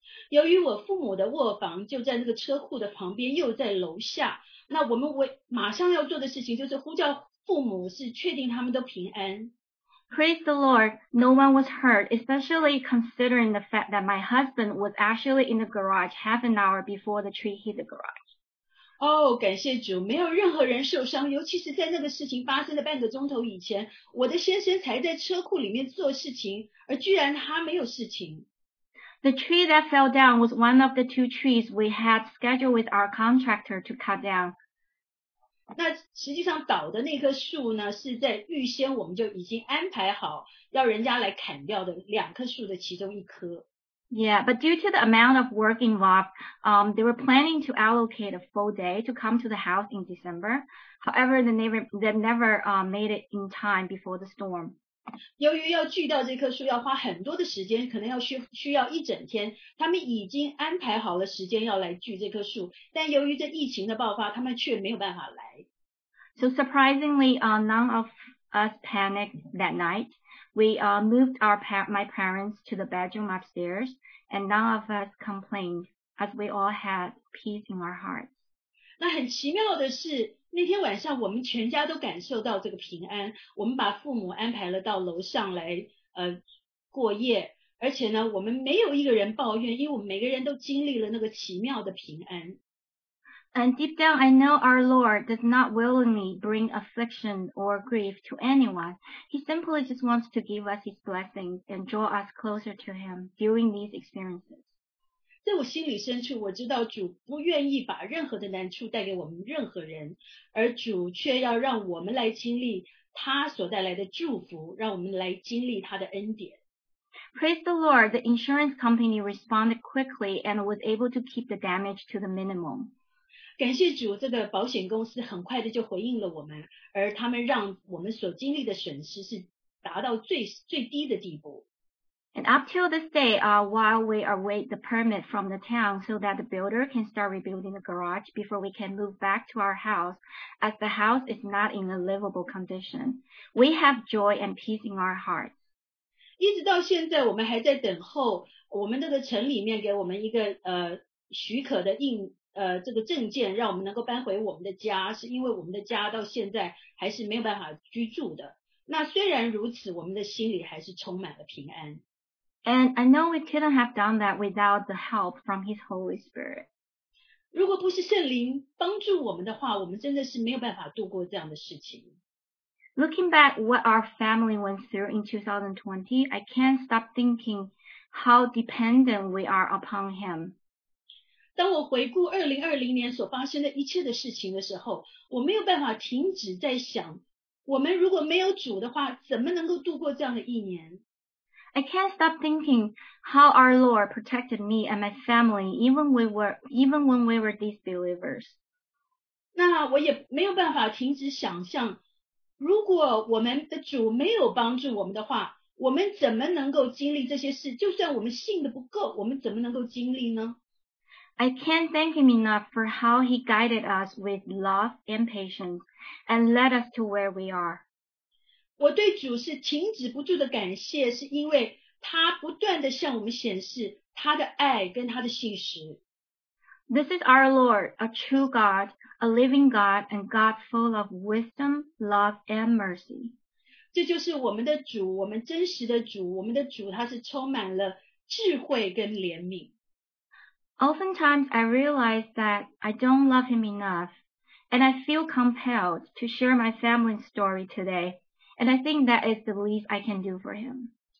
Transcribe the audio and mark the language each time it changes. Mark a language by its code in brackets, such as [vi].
[zh] 由于我父母的卧房就在那个车库的旁边，又在楼下，那我们马上要做的事情就是呼叫父母，是确定他们都平安。 [en] Praise the Lord, no one was hurt, especially considering the fact that my husband was actually in the garage half an hour before the tree hit the garage. [zh] Oh, 感谢主，没有任何人受伤，尤其是在那个事情发生的半个钟头以前，我的先生才在车库里面做事情，而居然他没有事情。 [en] The tree that fell down was one of the two trees we had scheduled with our contractor to cut down. [zh] 那实际上倒的那棵树呢，是在预先我们就已经安排好要人家来砍掉的两棵树的其中一棵。 [en] Yeah, but due to the amount of work involved, they were planning to allocate a full day to come to the house in December. However, they never made it in time before the storm. [zh] 由于要锯掉这棵树要花很多的时间，可能要需要一整天，他们已经安排好了时间要来锯这棵树，但由于这疫情的爆发，他们却没有办法来。 [en] So surprisingly, none of us panicked that night. We moved my parents to the bedroom upstairs, and none of us complained, as we all had peace in our hearts. [zh] 那很奇妙的是，那天晚上我们全家都感受到这个平安。我们把父母安排了到楼上来，过夜，而且呢，我们没有一个人抱怨，因为我们每个人都经历了那个奇妙的平安。 [en] And deep down, I know our Lord does not willingly bring affliction or grief to anyone. He simply just wants to give us his blessings and draw us closer to him during these experiences. [zh] 在我心里深处，我知道主不愿意把任何的难处带给我们任何人，而主却要让我们来经历他所带来的祝福，让我们来经历他的恩典。 [en] Praise the Lord, the insurance company responded quickly and was able to keep the damage to the minimum. [zh] 感谢主，这个保险公司很快的就回应了我们，而他们让我们所经历的损失是达到最低的地步。 [en] And up till this day, while we await the permit from the town so that the builder can start rebuilding the garage before we can move back to our house, as the house is not in a livable condition, we have joy and peace in our hearts. [zh] 一直到现在，我们还在等候我们那个城里面给我们一个许可的这个证件，让我们能够搬回我们的家，是因为我们的家到现在还是没有办法居住的。那虽然如此，我们的心里还是充满了平安。 [en] And I know we couldn't have done that without the help from His Holy Spirit. [zh] 如果不是圣灵帮助我们的话，我们真的是没有办法度过这样的事情。 [en] Looking back what our family went through in 2020, I can't stop thinking how dependent we are upon Him. [zh] 当我回顾2020年所发生的一切的事情的时候，我没有办法停止在想我们如果没有主的话，怎么能够度过这样的一年？ [en] I can't stop thinking how our Lord protected me and my family even when we were disbelievers. [zh] 那我也没有办法停止想象，如果我们的主没有帮助我们的话，我们怎么能够经历这些事？就算我们信的不够，我们怎么能够经历呢？ [en] I can't thank him enough for how he guided us with love and patience and led us to where we are. [zh] 我对主是停止不住的感谢，是因为他不断地向我们显示他的爱跟他的信实。 [en] This is our Lord, a true God, a living God, and God full of wisdom, love, and mercy. [zh] 这就是我们的主，我们真实的主，我们的主他是充满了智慧跟怜悯。 [en] Oftentimes I realize that I don't love him enough, and I feel compelled to share my family's story today. And I think that is the least I can do for him.